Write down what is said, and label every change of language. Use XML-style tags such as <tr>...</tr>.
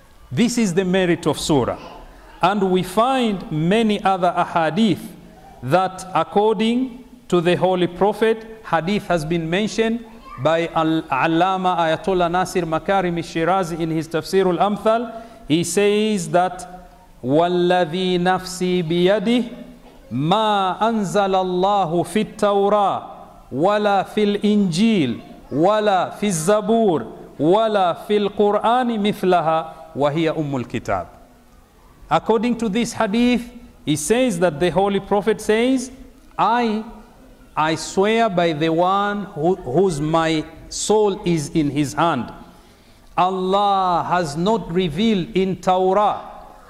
<en>This is the merit of surah. And we find many other ahadith that according to the Holy Prophet, hadith has been mentioned by Al-Allama Ayatollah Nasir Makarim Shirazi in his Tafsir al-Amthal. He says that,</en> <ar>وَالَّذِي نَفْسِي بِيَدِهِ ما أنزل الله في التوراة ولا في الإنجيل ولا في الزبور ولا في القرآن مثلها وهي أم الكتاب.</ar> <en>According to this hadith, he says that the Holy Prophet says, I swear by the one whose my soul is in his hand. Allah has not revealed in Torah</en>